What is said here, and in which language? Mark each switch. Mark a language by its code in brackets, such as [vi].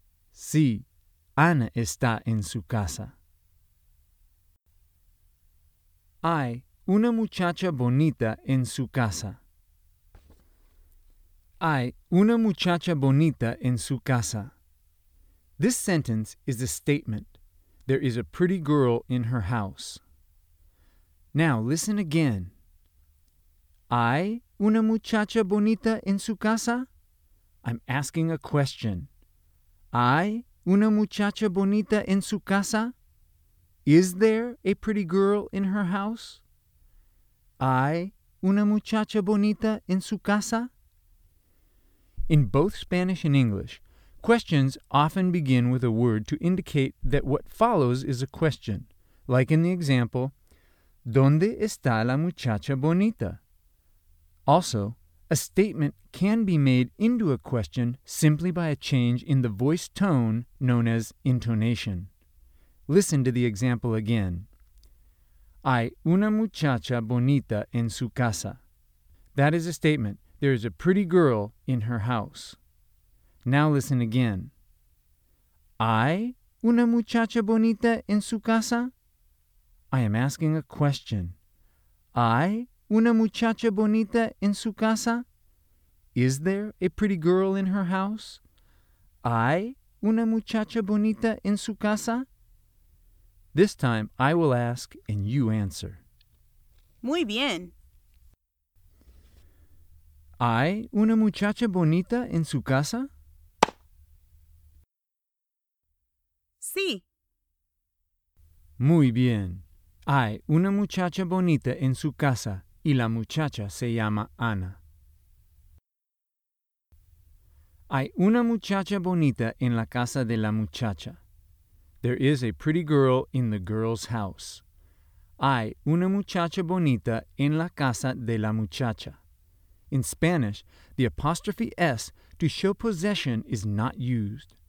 [es] Sí, Ana está en su casa. Hay una muchacha bonita en su casa. Hay una muchacha bonita en su casa. [en] This sentence is a statement. There is a pretty girl in her house. Now listen again. [es] ¿Hay una muchacha bonita en su casa? [en] I'm asking a question. [es] ¿Hay una muchacha bonita en su casa? [en] Is there a pretty girl in her house? [es] ¿Hay una muchacha bonita en su casa? [en] In both Spanish and English, questions often begin with a word to indicate that what follows is a question, like in the example, [es] ¿Dónde está la muchacha bonita? [en] Also, a statement can be made into a question simply by a change in the voice tone known as intonation. Listen to the example again. [es] Hay una muchacha bonita en su casa. [en] That is a statement. There is a pretty girl in her house. Now listen again. [es] ¿Hay una muchacha bonita en su casa? [en] I am asking a question. [es] ¿Hay una muchacha bonita en su casa? [en] Is there a pretty girl in her house? [es] ¿Hay una muchacha bonita en su casa? [en] This time I will ask and you answer. [es] Muy bien. ¿Hay una muchacha bonita en su casa? Sí. Muy bien. Hay una muchacha bonita en su casa y la muchacha se llama Ana. Hay una muchacha bonita en la casa de la muchacha. [en] There is a pretty girl in the girl's house. [es] Hay una muchacha bonita en la casa de la muchacha. [en] In Spanish, the apostrophe S to show possession is not used.